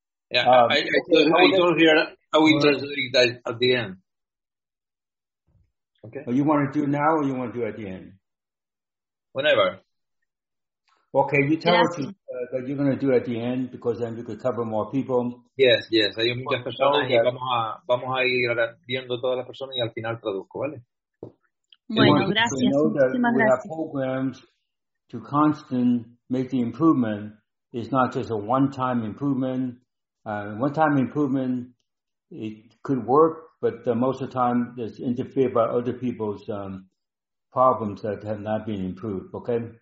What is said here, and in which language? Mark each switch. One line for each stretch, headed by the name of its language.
English: Yeah, I told her I will translate that at the end. Okay. You want to do now or you want to do at the end? Whenever. Okay, you tell her that you're going to do it at the end because then we could cover more people. Yes, yes.
Spanish: Hay muchas personas y vamos a ir viendo todas las personas y al final traduzco, ¿vale? Bueno, gracias. Muchísimas gracias.
English: We have programs to constantly make the improvement. It's not just a one-time improvement. One-time improvement, it could work, but most of the time, it's interfered by other people's problems that have not been improved, okay?